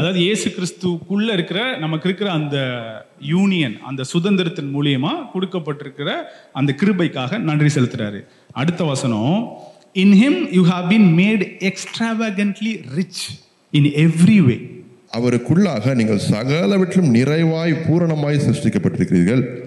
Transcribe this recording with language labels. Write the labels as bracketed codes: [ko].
[ta] அதாவது இயேசு கிறிஸ்துக்குள்ள இருக்கிற நமக்கு இருக்கிற அந்த யூனியன், அந்த சுதந்திரத்தின் மூலியமா கொடுக்கப்பட்டிருக்கிற அந்த கிருபைக்காக நன்றி செலுத்துறாரு. அடுத்த வசனம், [en] In him you have been made extravagantly rich in every way. [ta] அவருக்குள்ளாக நீங்கள் சகலவற்றிலும் நிறைவாய் பூரணமாய் சிருஷ்டிக்கப்பட்டிருக்கிறீர்கள்.